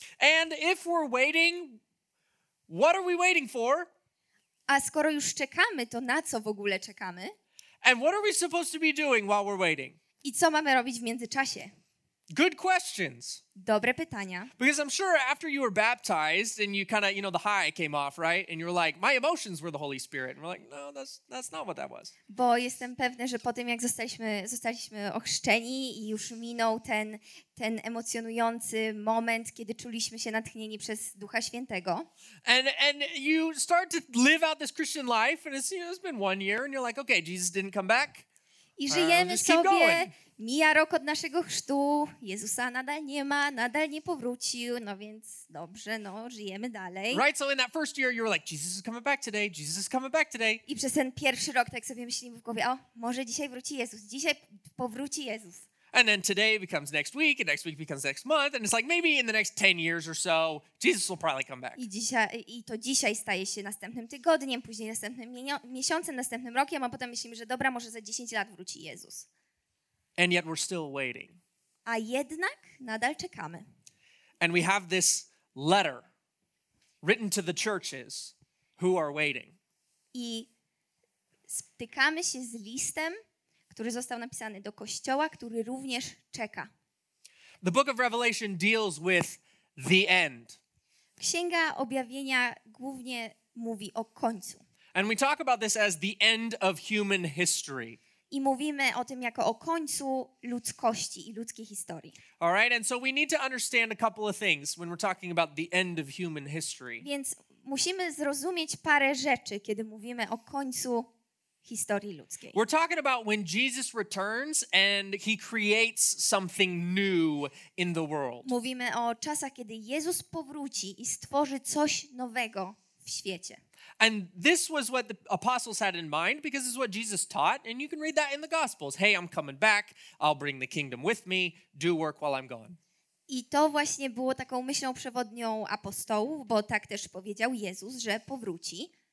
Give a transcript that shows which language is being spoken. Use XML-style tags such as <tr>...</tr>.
<en>And if we're waiting, what are we waiting for?</en> <pl>A skoro już czekamy, to na co w ogóle czekamy?</pl> <en>And what are we supposed to be doing while we're waiting?</en> <pl>I co mamy robić w międzyczasie?</pl> <en>Good questions.</en> <pl>Dobre pytania.</pl> <en>Because I'm sure after you were baptized and you kind of, you know, the high came off, right? And you're like, my emotions were the Holy Spirit. And we're like, no, that's not what that was.</en> <pl>Bo jestem pewna, że po tym, jak zostaliśmy ochrzczeni i już minął ten emocjonujący moment, kiedy czuliśmy się natchnieni przez Ducha Świętego.</pl> <en>And you start to live out this Christian life and it's been 1 year and you're like, okay, Jesus didn't come back.</en> <pl>I żyjemy sobie, mija rok od naszego chrztu, Jezusa nadal nie ma, nadal nie powrócił, no więc dobrze, no żyjemy dalej.</pl> <en>Right, so in that first year you were like, Jesus is coming back today, Jesus is coming back today.</en> <pl>I przez ten pierwszy rok tak sobie myślimy w głowie, o, może dzisiaj powróci Jezus.</pl> <en>And then today becomes next week becomes next month, and it's like maybe in the next 10 years or so, Jesus will probably come back.</en> <pl>I to dzisiaj staje się następnym tygodniem, później następnym miesiącem, następnym rokiem, a potem myślimy, że dobra, może za 10 lat wróci Jezus.</pl> <en>And yet we're still waiting.</en> <pl>A jednak nadal czekamy.</pl> <en>And we have this letter written to the churches who are waiting.</en> <pl>I spotykamy się z listem, który został napisany do kościoła, który również czeka.</pl> <en>The book of Revelation deals with the end.</en> <pl>Księga Objawienia głównie mówi o końcu.</pl> <en>And we talk about this as the end of human history.</en> <pl>I mówimy o tym jako o końcu ludzkości i ludzkiej historii.</pl> <en>All right, and so we need to understand a couple of things when we're talking about the end of human history.</en> <pl>Więc musimy zrozumieć parę rzeczy, kiedy mówimy o końcu historii ludzkiej.</pl> <en>We're talking about when Jesus returns and he creates something new in the world.</en> <pl>Mówimy o czasach, kiedy Jezus powróci i stworzy coś nowego w świecie.</pl> <en>And this was what the apostles had in mind because this is what Jesus taught and you can read that in the Gospels. Hey, I'm coming back. I'll bring the kingdom with me. Do work while I'm gone.</en> <pl>I to właśnie było taką myślą przewodnią apostołów, bo tak też powiedział Jezus, że powróci.</pl>